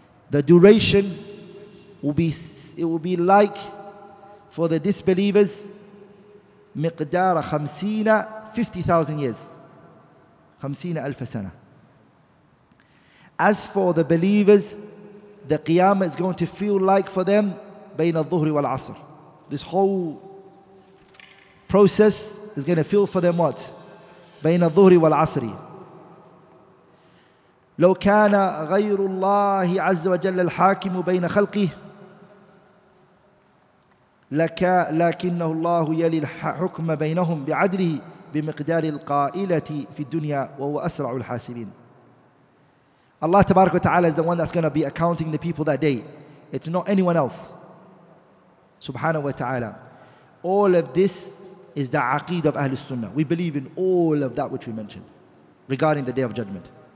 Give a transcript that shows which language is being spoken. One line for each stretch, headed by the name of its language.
English: The duration will be like for the disbelievers مقدار 50,000 years. 50,000 years. As for the believers, the qiyamah is going to feel like for them
Arabic: بين الظهر والعصر.
English: This whole process is going to feel for them what?
Arabic: بين الظهر والعصر. لو كان غير الله عز وجل الحاكم بين خلقه لك لكنه الله يلي الحكم بينهم بعدله بمقدار القائلة في الدنيا وهو أسرع الحاسبين.
English: Allah tabarak wa ta'ala is the one that's going to be accounting the people that day. It's not anyone else. Subhanahu wa ta'ala. All of this is the aqeed of Ahlul Sunnah. We believe in all of that which we mentioned regarding the Day of Judgment.